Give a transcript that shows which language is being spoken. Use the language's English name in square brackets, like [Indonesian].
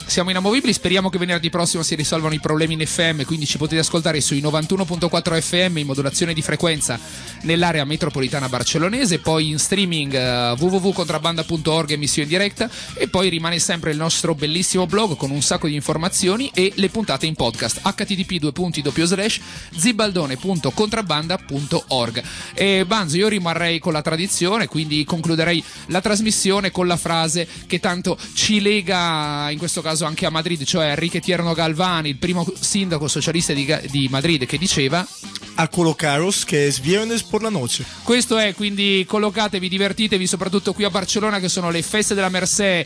[Italian] Siamo inamovibili, speriamo che venerdì prossimo si risolvano i problemi in FM, quindi ci potete ascoltare sui 91.4 FM in modulazione di frequenza nell'area metropolitana barcellonese, poi in streaming www.contrabbanda.org, emissione diretta, e poi rimane sempre il nostro bellissimo blog con un sacco di informazioni e le puntate in podcast http://zibaldone.contrabbanda.org. E Banzo, io rimarrei con la tradizione, quindi concluderei la trasmissione con la frase che tanto ci lega in questo caso anche a Madrid, cioè Enrique Tierno Galván, il primo sindaco socialista di Madrid, che diceva: [Spanish] a colocaros que es viernes por la noche. [Italian] Questo è, quindi collocatevi, divertitevi, soprattutto qui a Barcellona che sono le feste della Mercè.